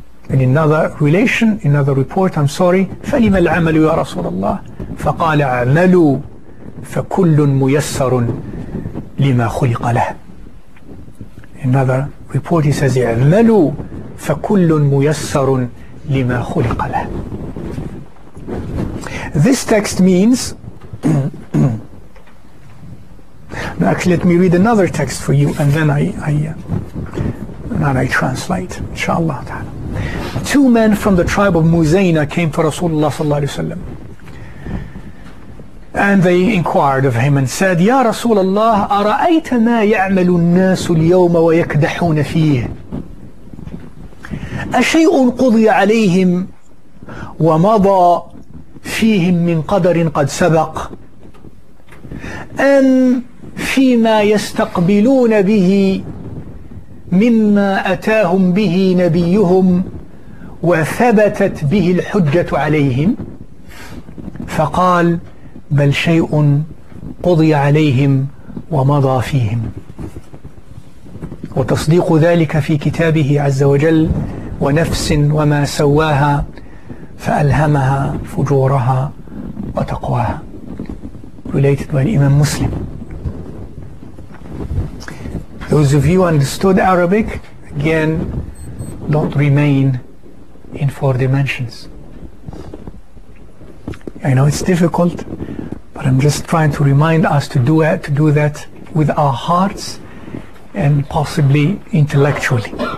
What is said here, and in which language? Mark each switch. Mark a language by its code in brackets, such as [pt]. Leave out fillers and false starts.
[en] In another relation, in another report, I'm sorry, [ar] فَلِمَ الْعَمَلُ يَا رَسُولَ اللَّهِ فَقَالَ عَمَلُوا فَكُلٌّ مُيَسَّرٌ لِمَا خُلِقَ لَهُ. [en] In another report he says, [ar] عَمَلُوا فَكُلٌّ مُيَسَّرٌ لِمَا خُلِقَ لَهُ. [en] This text means, now actually let me read another text for you, and then I translate, inshallah ta'ala. Two men from the tribe of Muzayna came to Rasulullah sallallahu alayhi wa sallam. And they inquired of him and said, [ar] Ya Rasulullah, أَرَأَيْتَ مَا يَعْمَلُ النَّاسُ الْيَوْمَ وَيَكْدَحُونَ فِيهِ أَشَيْءٌ قُضِيَ عَلَيْهِمْ وَمَضَى فِيهِمْ مِنْ قَدَرٍ قَدْ سَبَقْ أَمْ فِيمَا يَسْتَقْبِلُونَ بِهِ مما أتاهم به نبيهم وثبتت به الحجة عليهم. فقال بل شيء قضي عليهم ومضى فيهم وتصديق ذلك في كتابه عز وجل ونفس وما سواها فألهمها فجورها وتقواها. [en] Related by Imam Muslim. Those of you understood Arabic, again don't remain in four dimensions. I know it's difficult, but I'm just trying to remind us to do that with our hearts and possibly intellectually.